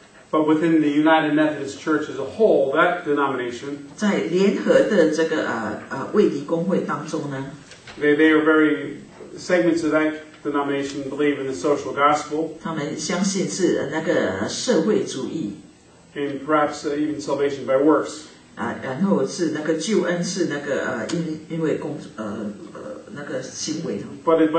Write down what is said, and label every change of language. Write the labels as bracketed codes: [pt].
[en] But within the United Methodist Church as a whole, that denomination. [zh] 在联合的这个卫理公会当中呢。 [en] They are very segments of that denomination believe in the social gospel. [zh] 他们相信是那个社会主义, [en] and perhaps even salvation by works. [zh] 然后是那个救恩是那个因为工那个行为的。But